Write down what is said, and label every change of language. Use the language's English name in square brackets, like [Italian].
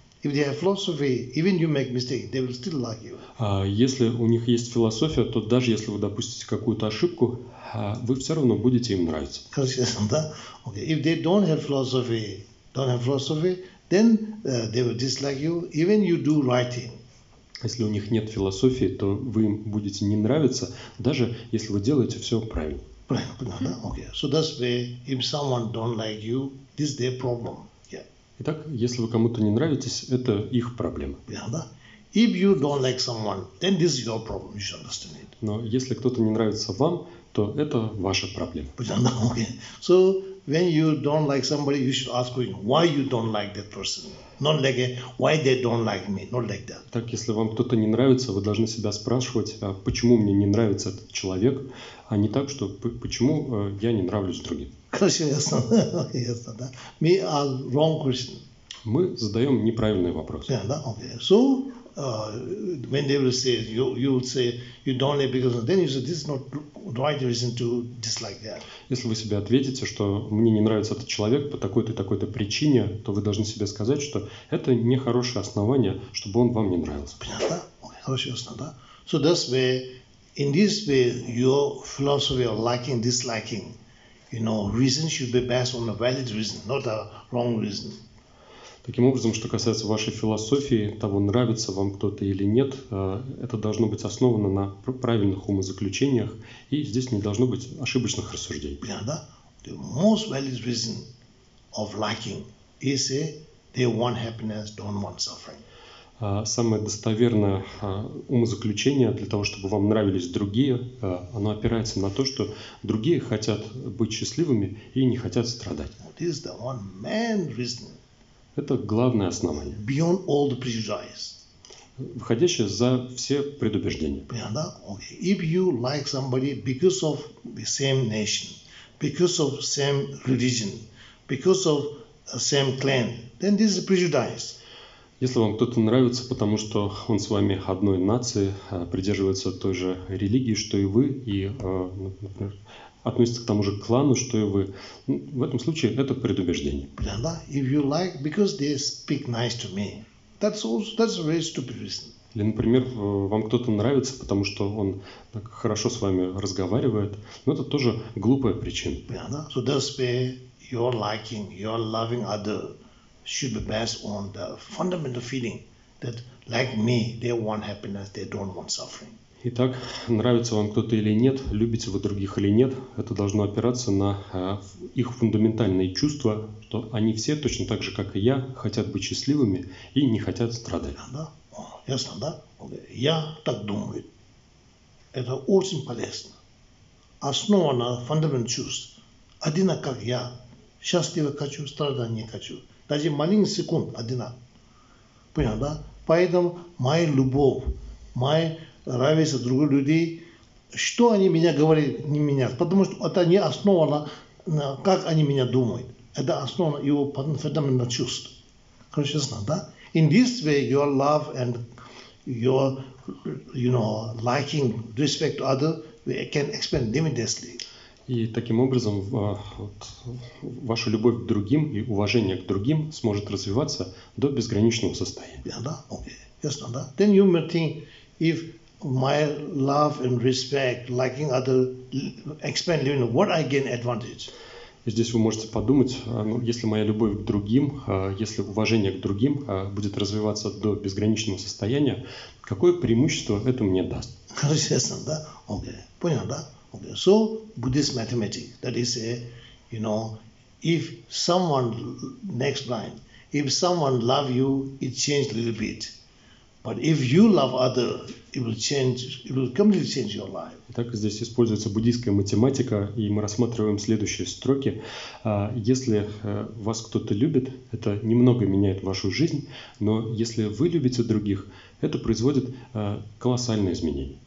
[English] If they have philosophy, even you make mistake, they will still like you. [Russian] Если у них есть философия, то даже если вы допустите какую-то ошибку, вы все равно будете им нравиться. Конечно, да. [English] Okay. If they don't have philosophy, then they will dislike you, even you do writing. [Russian] Если у них нет философии, то вы им будете не нравиться, даже если вы делаете все правильно. Правильно, да. [English] Okay. So that's why if someone don't like you, this is their problem. [Russian] Итак, если вы кому-то не нравитесь, это их проблема. [English] If you don't like someone, then this is your problem. You should understand it. [Russian] Но если кто-то не нравится вам, то это ваша проблема. [English] Okay. So when you don't like somebody, you should ask why you don't like that person, not like why they don't like me, not like that. [Russian] Так, если вам кто-то не нравится, вы должны себя спрашивать, а почему мне не нравится этот человек, а не так, что почему я не нравлюсь другим. Конечно, да. [English] Me are wrong question. [Russian] Мы задаем неправильный вопрос. [English] Yeah, [Russian] да? [English] Okay. So when they will say you will say you don't like because then you say this is not right reason to dislike that. [Russian] Если вы себе ответите, что мне не нравится этот человек по такой-то и такой-то причине, то вы должны себе сказать, что это не хорошее основание, чтобы он вам не нравился. Понятно? [English] Okay. [Russian] Хорошо, ясно, да. [English] So that's where in this way your philosophy of liking, disliking. Reason should be based on a valid reason, not a wrong reason. [Russian] Таким образом, что касается вашей философии, того, нравится вам кто-то или нет, это должно быть основано на правильных умозаключениях, и здесь не должно быть ошибочных рассуждений. Понятно, да? [English] The most valid reason of liking is that They want happiness, don't want suffering. [Russian] Самое достоверное умозаключение для того, чтобы вам нравились другие, оно опирается на то, что другие хотят быть счастливыми и не хотят страдать. [English] That is the one main reason. [Russian] Это главное основание. [English] Beyond all the prejudices. [Russian] Выходящее за все предубеждения. [English] Yeah, that, okay. If you like somebody because of the same nation, because of same religion, because of same clan, then this is prejudice. [Russian] Если вам кто-то нравится, потому что он с вами одной нации, придерживается той же религии, что и вы, и например, относится к тому же клану, что и вы, в этом случае это предубеждение. [English] If you like, because they speak nice to me, that's also, that's a very stupid reason. [Russian] Или, например, вам кто-то нравится, потому что он так хорошо с вами разговаривает, но это тоже глупая причина. [English] So that's where your liking, your loving other should be based on the fundamental feeling that, like me, they want happiness, they don't want suffering. [Russian] Итак, нравится вам кто-то или нет, любите вы других или нет, это должно опираться на их фундаментальные чувства, что они все, точно так же, как и я, хотят быть счастливыми и не хотят страдать. Да? Ясно, да? Я так думаю. Это очень полезно. Основано на фундаментальных чувствах. Один, как я, счастливо хочу, страдать не хочу. Даже маленький секунд один. Понял, да? Поэтому моя любовь, моя нравится другим людям, что они меня говорят, не меня, потому что это не основано, как они меня думают. Это основано его фундаментальных чувств. Короче, знаешь, да? [English] In this way, your love and your, you know, liking, respect to other, we can expand limitlessly. [Russian] И таким образом вот, ваша любовь к другим и уважение к другим сможет развиваться до безграничного состояния. [English] Yeah, [Russian] да? [English] Okay. Yes, [Russian] да? [English] Then you may think, if my love and respect, liking other, expand living, what I gain advantage? [Russian] Здесь вы можете подумать, ну, если моя любовь к другим, если уважение к другим будет развиваться до безграничного состояния, какое преимущество это мне даст? Честно, да? [English] Okay. [Russian] Понял, да? [English] Okay. So, Buddhist mathematics, that is a, you know, if someone, next line, if someone love you, it changed a little bit. But if you love other, it will change, it will completely change your life. [Russian] Итак, здесь используется буддийская математика, и мы рассматриваем следующие строки. Если вас кто-то любит, это немного меняет вашу жизнь, но если вы любите других, это производит колоссальные изменения.